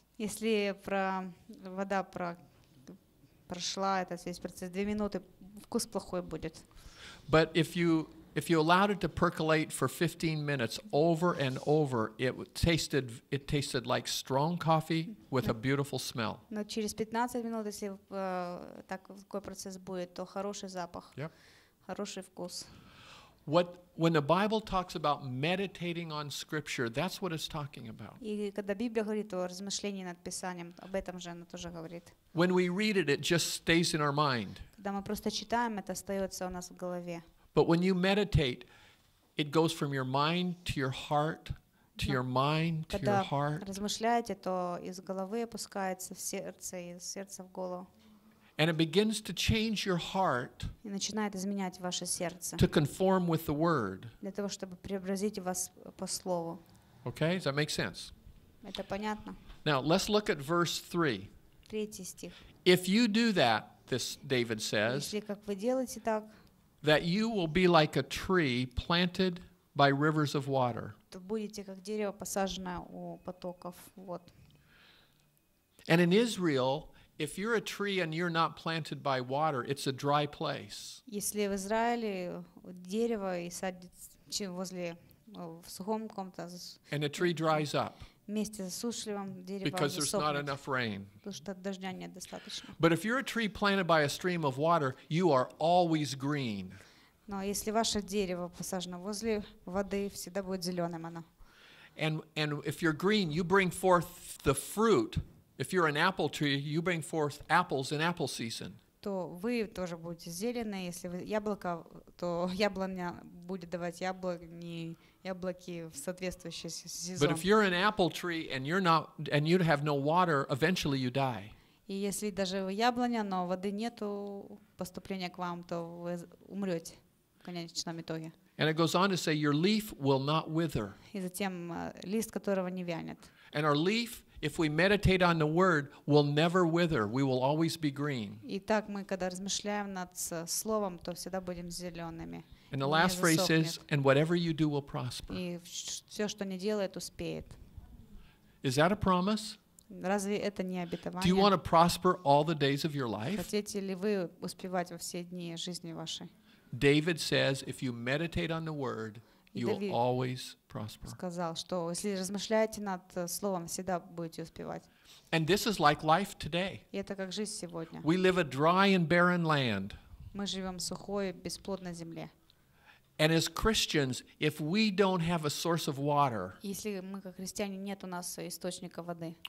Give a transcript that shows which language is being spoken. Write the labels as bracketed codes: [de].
[ru] Если вода прошла этот весь процесс 2 минуты, вкус плохой будет. [en] But if you allowed it to percolate for 15 minutes over and over, it tasted like strong coffee with a beautiful smell. [ru] Но через 15 минут, если такой процесс будет, то хороший запах, хороший вкус. [en] When the Bible talks about meditating on Scripture, that's what it's talking about. [ru] И когда Библия говорит о размышлении над Писанием, об этом же она тоже говорит. [en] When we read it, it just stays in our mind. [ru] Когда мы просто читаем, это остается у нас в голове. [en] But when you meditate, it goes from your mind to your heart, to your mind to your heart. [ru] Когда размышляете, то из головы опускается в сердце и из сердца в голову. [en] And it begins to change your heart. [ru] И начинает изменять ваше сердце. [en] To conform with the word. [ru] Для того, чтобы преобразить вас по слову. [en] Okay, does that make sense? [ru] Это понятно. [en] Now, let's look at verse 3. [ru] Третий стих. [en] If you do that, this David says, [ru] если как вы делаете так, [en] that you will be like a tree planted by rivers of water. [ru] То будете как дерево, посаженное у потоков вод. [en] And in Israel, if you're a tree and you're not planted by water, it's a dry place. [ru] Если в Израиле дерево и садится возле в сухом каком-то. [en] And the tree dries up. [ru] Вместе с засушливым дерево. [en] Because there's not enough rain. [ru] Потому что дождя недостаточно. [en] But if you're a tree planted by a stream of water, you are always green. [ru] Но если ваше дерево посажено возле воды, всегда будет зеленым оно. [en] And if you're green, you bring forth the fruit. If you're an apple tree, you bring forth apples in apple season. [ru] То вы тоже будете зеленые, если вы яблоко, то яблоня будет давать яблони, яблоки в соответствующий сезон. [en] But if you're an apple tree and you're not and you have no water, eventually you die. [ru] И если даже вы яблоня, но воды нету поступления к вам, то вы умрете в конечном итоге. [en] And it goes on to say, your leaf will not wither. [ru] И затем лист которого не вянет. [en] And our leaf, if we meditate on the word, will never wither. We will always be green. [ru] И так мы, когда размышляем над словом, то всегда будем зелеными. [en] And the last phrase is, and whatever you do will prosper. [ru] И все, что не делает, успеет. [en] Is that a promise? [ru] Разве это не обетование? [en] Do you want to prosper all the days of your life? [ru] Хотите ли вы успевать во все дни жизни вашей? [en] David says, if you meditate on the word, you will always prosper. [ru] Сказал, что если размышляете над словом, всегда будете успевать. [en] And this is like life today. [ru] Это как жизнь сегодня. [en] We live a dry and barren land. [ru] Мы живем в сухой, бесплодной земле. [en] And as Christians, if we don't have a source of water, [ru] если мы как христиане нет у нас источника воды,